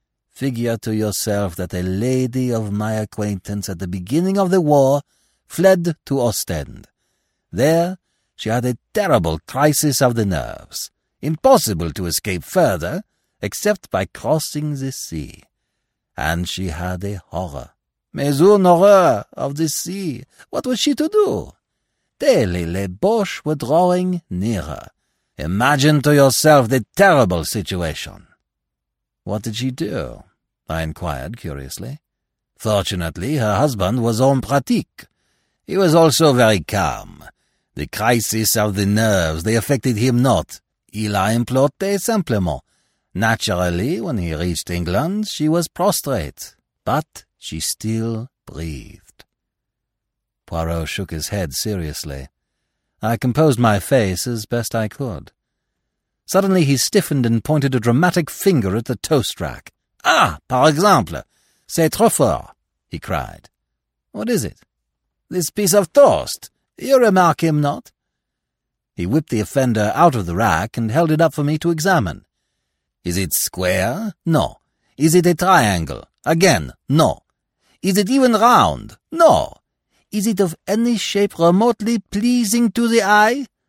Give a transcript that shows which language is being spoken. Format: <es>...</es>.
<en>Figure to yourself that a lady of my acquaintance at the beginning of the war fled to Ostend. There she had a terrible crisis of the nerves. Impossible to escape further, except by crossing the sea. And she had a horror.</en> <fr>Mais une horreur</fr> <en>of the sea. What was she to do? Daily les Boches were drawing nearer. Imagine to yourself the terrible situation." "What did she do?" I inquired curiously. "Fortunately, her husband was</en> <fr>en pratique.</fr> <en>He was also very calm. The crisis of the nerves, they affected him not.</en> <fr>Il a imploré simplement.</fr> <en>Naturally, when he reached England, she was prostrate, but she still breathed." Poirot shook his head seriously. I composed my face as best I could. Suddenly he stiffened and pointed a dramatic finger at the toast rack.</en> <fr>"Ah, par exemple, c'est trop fort,"</fr> <en>he cried. "What is it?" "This piece of toast. You remark him not?" He whipped the offender out of the rack and held it up for me to examine. "Is it square? No. Is it a triangle? Again, no. Is it even round? No. Is it of any shape remotely pleasing to the eye?</en>